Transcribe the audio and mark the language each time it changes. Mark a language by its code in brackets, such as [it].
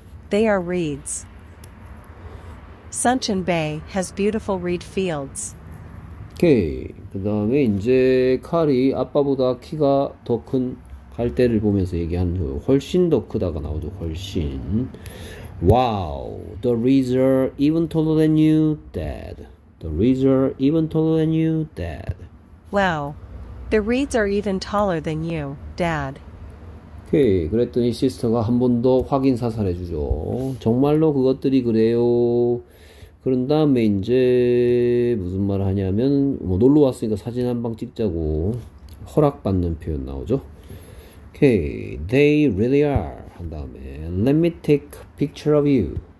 [en] They are reeds. Sunshine Bay has beautiful reed fields. [ko] 오케이. 그 다음에 이제 칼이 아빠보다 키가 더큰 갈대를 보면서 얘기한 후 훨씬 더 크다가 나오죠. 훨씬. [en] Wow. The reeds are even taller than you, Dad. The reeds are even taller than you, Dad. Wow, the reeds are even taller than you, Dad. [ko] 오케이. 그랬더니 시스터가 한번더 확인 사살해 주죠. 정말로 그것들이 그래요? 그런 다음에 이제 무슨 말을 하냐면 뭐 놀러 왔으니까 사진 한방 찍자고 허락받는 표현 나오죠. [en] Okay, they really are. [ko] 한 다음에 [en] let me take a picture of you.